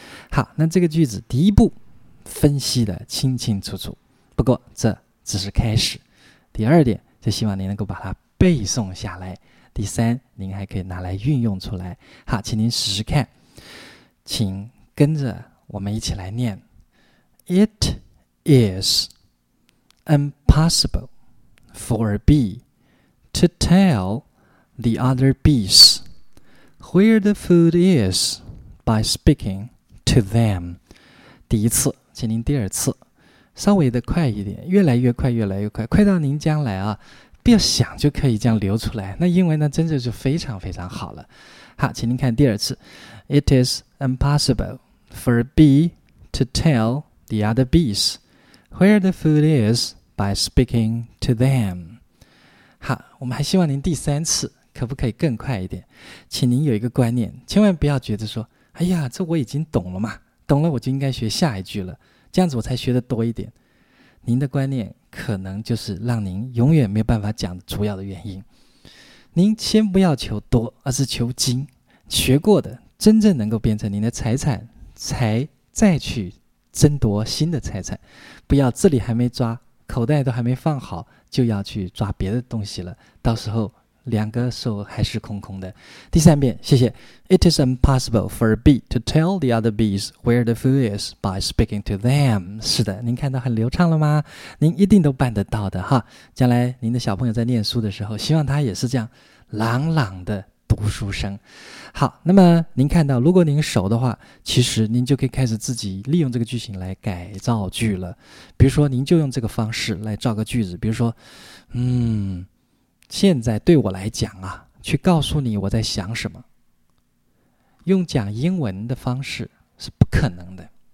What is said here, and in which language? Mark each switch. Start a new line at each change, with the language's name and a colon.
Chinese: 好，那这个句子第一步分析的清清楚楚，不过这只是开始。第二点，就希望你能够把它背诵下来。第三，您还可以拿来运用出来。好，请您试试看，请跟着我们一起来念。
English: It is impossible for a bee to tell the other bees where the food is by speaking to them。
Chinese: 第一次，请您第二次稍微的快一点，越来越快，越来越快，快到您将来啊不要想就可以这样流出来，那英文呢真的就非常非常好了。好，请您看第二次。
English: It is impossible for a bee to tell the other bees where the food is by speaking to them。
Chinese: 好，我们还希望您第三次可不可以更快一点。请您有一个观念，千万不要觉得说哎呀这我已经懂了嘛，懂了我就应该学下一句了，这样子我才学得多一点。您的观念可能就是让您永远没有办法讲的主要的原因。您先不要求多，而是求精，学过的真正能够变成您的财产，才再去争夺新的财产。不要这里还没抓，口袋都还没放好，就要去抓别的东西了，到时候两个手还是空空的。第三遍，谢谢。
English: It is impossible for a bee to tell the other bees where the food is by speaking to them。
Chinese: 是的，您看到很流畅了吗？您一定都办得到的哈。将来您的小朋友在念书的时候，希望他也是这样朗朗的读读书声。好，那么您看到，如果您熟的话，其实您就可以开始自己利用这个句型来改造句了。比如说您就用这个方式来造个句子，比如说现在对我来讲啊，去告诉你我在想什么，用讲英文的方式是不可能的。